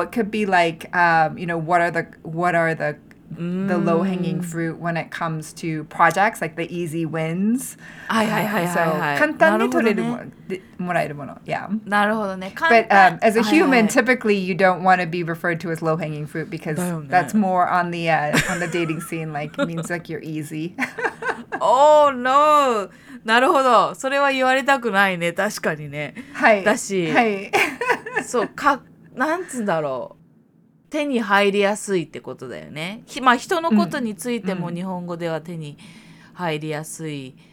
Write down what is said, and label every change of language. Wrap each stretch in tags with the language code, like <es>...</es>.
<en>It could be like, you know, what are the、mm. the low hanging fruit when it comes to projects, like the easy wins.</en> <ja>はいはいはいはい、はい。 So, 簡単に取れるも、ね、もらえるもの。</ja> <en>Yeah.</en> <ja>なるほどね。</ja> <en>But、as a human,、はいはい、typically you don't want to be referred to as low hanging fruit because、ね、that's more on the dating scene. Like, it means like you're easy. oh no.</en> <ja>なるほど。それは言われたくないね。確かにね。はい。だし、はい、そう、か、なんつうんだろう。手に入りやすいってことだよね。まあ、人のことについても日本語では手に入りやすい、</ja>